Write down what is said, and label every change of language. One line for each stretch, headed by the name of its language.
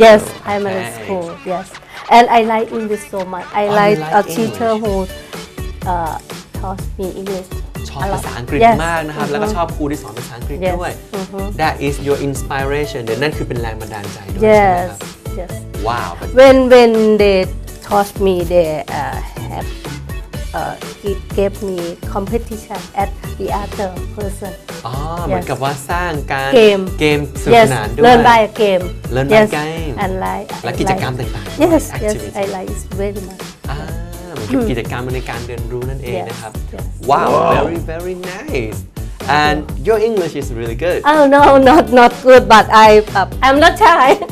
English: yes primary school yes and I like English so much I like a teacher who taught me English
Thai: ชอบภาษาอังกฤษมากนะครับแล้วก็ชอบครูที่สอนภาษาอังกฤษด้วย
English: That is your inspiration
Thai: เดี๋ยวนั่นคือเป็นแรงบันดาลใจด้วยใช่ไหมครับ
English: Yes Wow When they taught me they have he gave me competition at the other person.
Thai: อ๋อเหมือนกับว่าสร้างการ เกม สนุกสนานด้วย
English: learn by a game learn by game and like
Thai: และกิจกรรมต่าง
English: ๆ yes I like it very much
Thai: กิจกรรมในการเรียนรู้นั่นเองนะครับ
English: wow very very nice and your English is really good oh no not good but I'm not shy